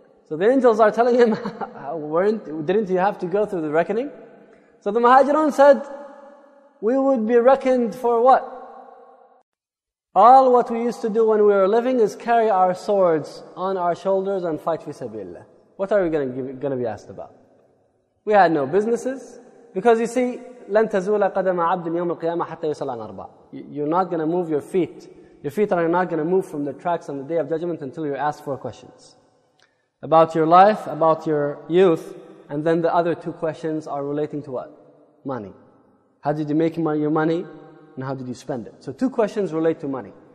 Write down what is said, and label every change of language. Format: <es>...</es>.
<en>So the angels are telling him, didn't you have to go through the reckoning? So the muhajirin said, we would be reckoned for what? All what we used to do when we were living is carry our swords on our shoulders and fight fi sabilillah. What are we going to be asked about? We had no businesses. Because you see,</en> <ar>لَن تَزُولَ قَدَمَ عَبْدٍ يَوْمِ الْقِيَامَةِ حَتَّى يُسَلْ عَنْ أَرْبَعٍ.</ar> <en>You're not going to move your feet. Your feet are not going to move from the tracks on the Day of Judgment until you're asked four questions. About your life, about your youth, and then the other two questions are relating to what? Money. How did you make your money? And how did you spend it? So two questions relate to money.</en>